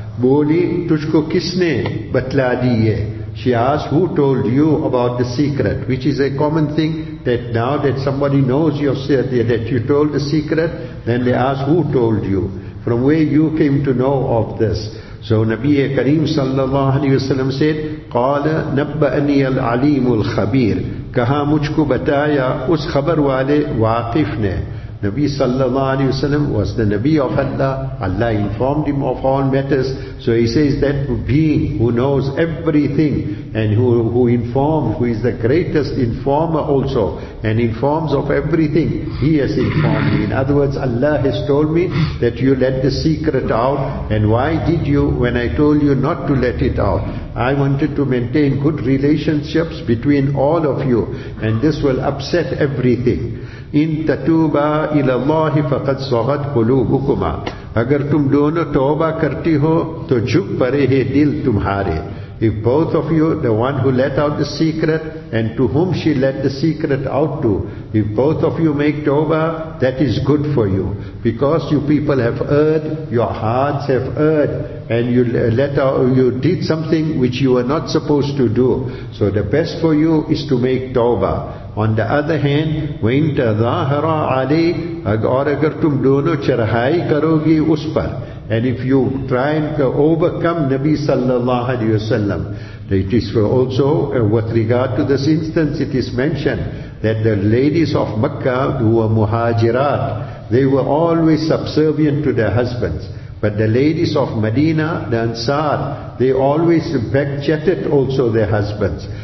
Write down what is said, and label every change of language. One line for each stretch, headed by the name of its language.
Urdu: بولی تجھ کو کس نے بتلا دیئے.
English: She asked, who told you about the secret? Which is a common thing, that now that somebody knows you that you told the secret, then they ask, who told you? From where you came to know of this? So Nabi Kareem sallallahu alayhi wa sallam said,
Arabic: قَالَ نَبَّأَنِيَ الْعَلِيمُ الْخَبِيرُ.
Urdu: کہا مجھ کو بتایا اس خبر والے واقف نے.
English: Nabi sallallahu alayhi wasallam was the Nabi of Allah. Allah informed him of all matters. So he says that being who knows everything and who informed, who is the greatest informer also and informs of everything, he has informed me. In other words, Allah has told me that you let the secret out. And why did you when I told you not to let it out? I wanted to maintain good relationships between all of you, and this will upset everything.
Arabic: In tatuba ila Allah faqad saghat qulubukuma.
Urdu: Agar tum dono toba karti ho to jhuk pare hai dil tumhare.
English: If both of you, the one who let out the secret and to whom she let the secret out to, if both of you make tawbah, that is good for you. Because you people have erred, your hearts have erred, and you let out, you did something which you were not supposed to do. So the best for you is to make tawbah. On the other hand,
Arabic: وَإِن تَظَاهَرَ عَلَيْهِ
Urdu: اگر تم دونوں چرہائی کرو گی اس پر.
English: And if you try and overcome Nabi sallallahu alayhi wa sallam, it is also with regard to this instance, it is mentioned that the ladies of Makkah who were muhajirat, they were always subservient to their husbands. But the ladies of Medina, the Ansar, they always back-chatted also their husbands.